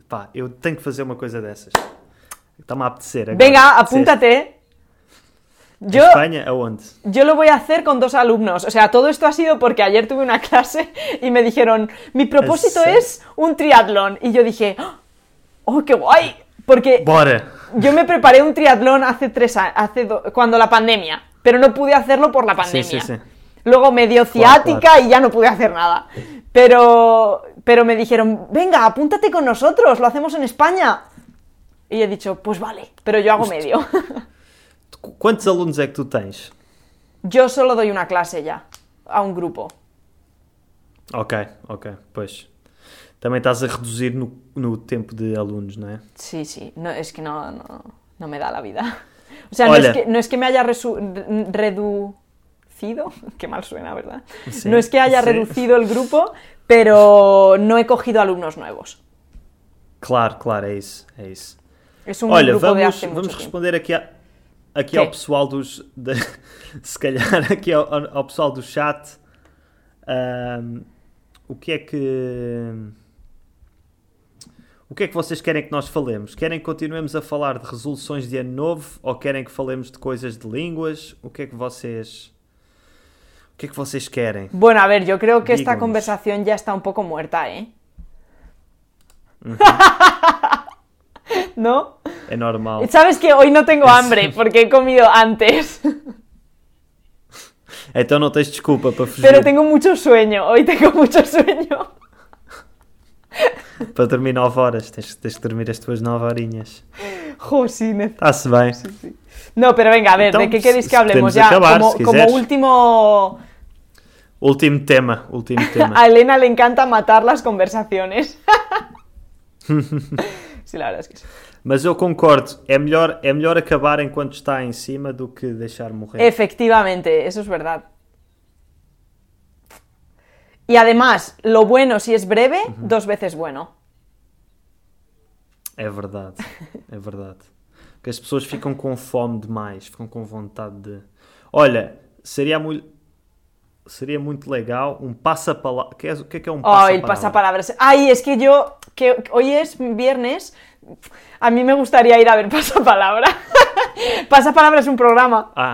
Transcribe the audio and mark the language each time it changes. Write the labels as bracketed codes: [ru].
[pt] Pá, eu tenho que fazer uma coisa dessas. Está-me a apetecer agora. [es] Venga, apúntate. Yo, España, ¿aonde? Yo lo voy a hacer con 2 alumnos. O sea, todo esto ha sido porque ayer tuve una clase y me dijeron, mi propósito es un triatlón. Y yo dije, ¡oh, qué guay! Porque [pt] Bora. [es] Yo me preparé un triatlón hace 3 años, cuando la pandemia, pero no pude hacerlo por la pandemia. Sí, sí, sí. Luego me dio ciática, claro, claro. Y ya no pude hacer nada. Pero me dijeron, venga, apúntate con nosotros, lo hacemos en España. Y he dicho, pues vale, pero yo hago medio. ¿Cuántos alumnos es que tú tienes? Yo solo doy una clase ya, a un grupo. Ok, pues. También estás a reducir no tiempo de alumnos, ¿no? Sí, sí. No, es que no me da la vida. O sea, no es que me haya reducido. Qué mal suena, ¿verdad? Sí, no es que haya reducido el grupo, pero no he cogido alumnos nuevos. Claro, es eso. Es un grupo de hace mucho tiempo. [pt] Vamos responder aqui a... Aqui ao pessoal dos. Se calhar, aqui ao pessoal do chat. O que é que vocês querem que nós falemos? Querem que continuemos a falar de resoluções de ano novo? Ou querem que falemos de coisas de línguas? O que é que vocês querem? [es] Bueno, a ver, [pt] eu creo que esta conversação já está um pouco [es] muerta, [pt] ¿eh? [es] ¿No? Es normal. ¿Sabes que hoy no tengo hambre? Porque he comido antes. Entonces no tienes disculpa para fugir. Pero tengo mucho sueño. Hoy tengo mucho sueño. Para dormir 9 horas. Tienes que dormir las tuyas 9 horinhas. Josine. Está-se bien. Sí, sí. No, pero venga, a ver, entonces, ¿de qué queréis que hablemos ya? Acabar, como último... Último tema. A Elena le encanta matar las conversaciones. Sí, la verdad es que sí. [pt] Mas eu concordo, é melhor acabar enquanto está em cima do que deixar morrer. Efectivamente, isso é verdade. E, [es] además, lo bueno, [pt] se é breve, duas vezes bueno. É verdade. Porque as pessoas ficam com fome demais, ficam com vontade de... Olha, seria muito legal um passa-palavras... O que é um passa-palavras? Oh, o passa-palavras. Ai, é que eu... [es] Que hoy es viernes. A mí me gustaría ir a ver Pasapalabra. Pasapalabra es un programa.